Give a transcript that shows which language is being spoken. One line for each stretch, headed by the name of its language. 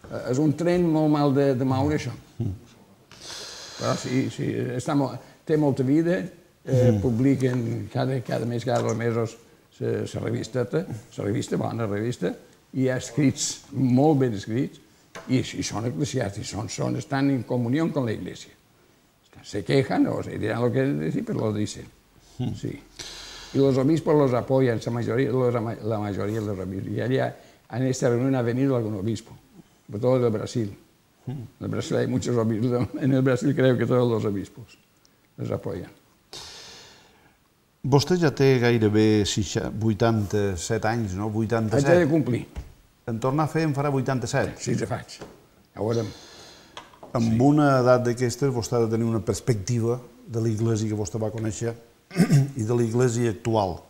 Catalan: És un tren molt mal de moure, això. Però sí, té molta vida, publiquen cada mes, cada mesos, la revista, bona revista, i ha escrits molt ben escrits, i són eclesiàstics, són estan en comunió amb la Iglesia.
Spanish: Se quejan, o sea, diran lo que han de decir, pero lo dicen, sí. Y los obispos los apoyan, la mayoría de los obispos. Y allá, en esta reunión, ha venido algún obispo, sobre todo del Brasil. En el Brasil hay muchos obispos, en el Brasil creo que todos los obispos los apoyan.
Catalan: Vostè ja té gairebé 87 anys, no? 87. Haig de complir. En tornar a fer, en farà 87. Sí, ja faig. Ja veurem. Amb una edat d'aquestes, vostè ha de tenir una perspectiva de l'Iglésia que vostè va conèixer i de l'Iglésia actual.